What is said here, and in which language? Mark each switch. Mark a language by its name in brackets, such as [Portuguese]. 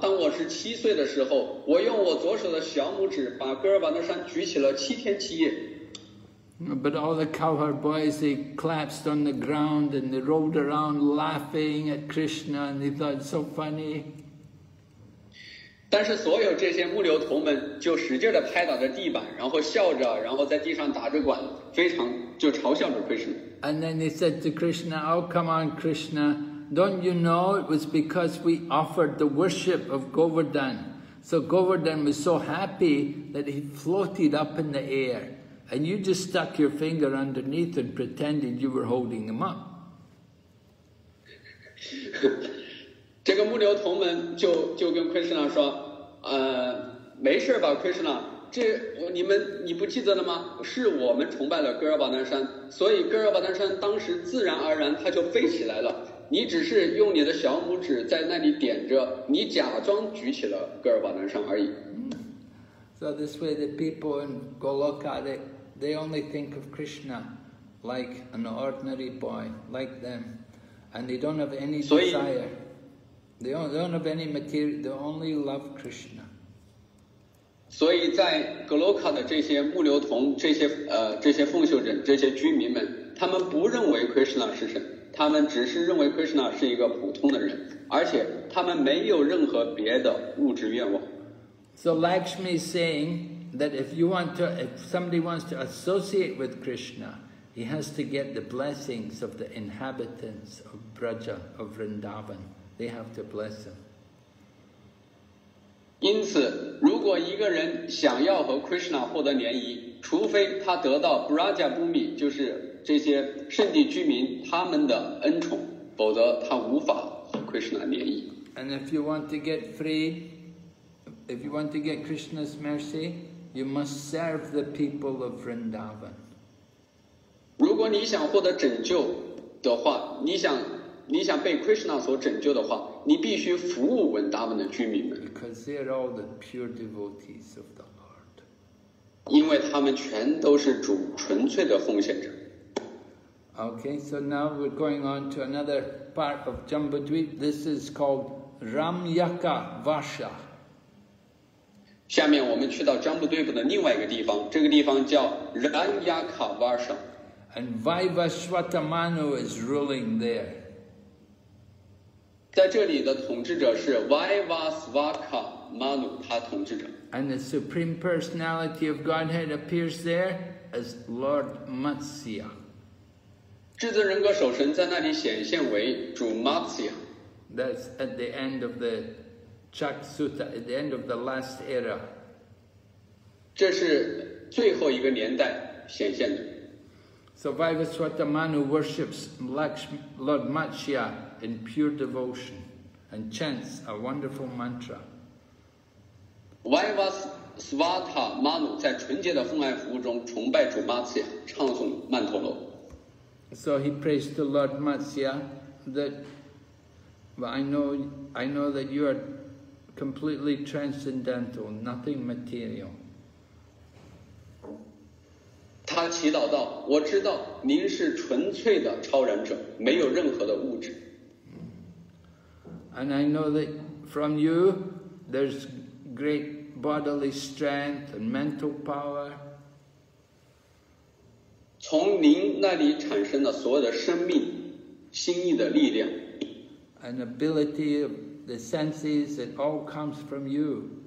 [Chinese] 当我是7岁的时候，我用我左手的小拇指把戈尔瓦纳山举起了7天7夜。” [English] But all the cowherd boys, they collapsed on the ground and they rolled around laughing at Krishna, and they thought so funny. [Chinese] 但是所有这些牧牛童们就使劲地拍打着地板，然后笑着，然后在地上打着滚，非常就嘲笑着 Krishna。 [English] And then they said to Krishna, "Oh, come on, Krishna, don't you know it was because we offered the worship of Govardhan? So Govardhan was so happy that he floated up in the air, and you just stuck your finger underneath and pretended you were holding him up." [Chinese] 这个牧牛童们就跟 Krishna 说，没事吧 ，Krishna。这你不记得了吗？是我们崇拜了戈尔巴丹山，所以戈尔巴丹山当时自然而然它就飞起来了。你只是用你的小拇指在那里点着，你假装举起了戈尔巴丹山而已。 [English] So this way, the people in Goloka they only think of Krishna like an ordinary boy like them, and they don't have any desire. They don't have any material. They only love Krishna. [Chinese] 所以在格罗卡的这些牧牛童、这些奉修人、这些居民们，他们不认为 Krishna 是神，他们只是认为 Krishna 是一个普通的人，而且他们没有任何别的物质愿望。 [English] So Lakshmi is saying that if somebody wants to associate with Krishna, he has to get the blessings of the inhabitants of Braja, of Vrindavan. They have to bless him. [Chinese] 因此，如果一个人想要和 Krishna 获得联谊，除非他得到 Braja Bhumi， 就是这些圣地居民他们的恩宠，否则他无法和 Krishna 联谊。 [English] And if you want to get free, if you want to get Krishna's mercy, you must serve the people of Vrindavan. [Chinese] 如果你想获得拯救的话，你想被 Krishna 所拯救的话，你必须服务文达文的居民们。 [English] Because they are all the pure devotees of the Lord. [Chinese] 因为他们全都是主纯粹的奉献者。 [English] Okay, so now we're going on to another part of Jambudvip. This is called Ramyaka Vasha. [Chinese] 下面我们去到 Jambudvip 的另外一个地方，这个地方叫 Ramyaka Vasha. [English] And Vaivashvatamanu is ruling there. [Chinese] 在这里的统治者是 Vaivasvaka Manu， 他统治着。 [English] And the Supreme Personality of Godhead appears there as Lord Matsya。 [Chinese] 至尊人格首神在那里显现为主 Matsya。 [English] That's at the end of the Chaksuta, at the end of the last era。 [Chinese] 这是最后一个年代显现的。 [English] So Vaivasvata Manu worships Lord Matsya. In pure devotion and chants a wonderful mantra. [Chinese] Vaivasvata Manu 在纯洁的奉爱服务中崇拜主 Matsya， 唱诵曼陀罗。 [English] So he prays to Lord Matsya that, I know that you are completely transcendental, nothing material. [Chinese] 他祈祷道：“我知道您是纯粹的超然者，没有任何的物质。” [English] And I know that from you, there's great bodily strength and mental power. [Chinese] 从您那里产生的所有的生命、心意的力量。 [English] And ability of the senses, it all comes from you.